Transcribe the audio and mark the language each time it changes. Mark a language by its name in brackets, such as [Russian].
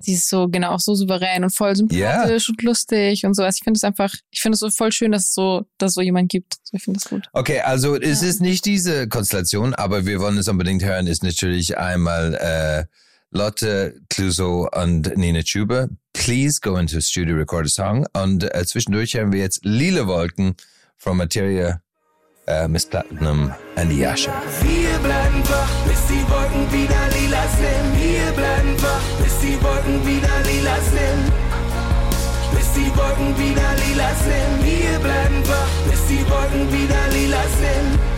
[German] Sie ist so, genau, auch so souverän und voll sympathisch, yeah, und lustig und so. Also ich finde es einfach, ich finde es so voll schön, dass es so jemand gibt. Also ich finde es gut. Okay, also ja, es ist nicht diese Konstellation, aber wir wollen es unbedingt hören, ist natürlich einmal Lotte Clouseau und Nina Tschuber. [English] Please go into the studio, record a song. [German] Und zwischendurch haben wir jetzt Lila Wolken from Materia. Miss Platinum and Yasha. Wir bleiben wach, bis die Wolken wieder lila sind. Wir bleiben wach, bis die Wolken wieder lila sind. Bis die Wolken wieder lila sind. Wir bleiben wach, bis die Wolken wieder lila sind.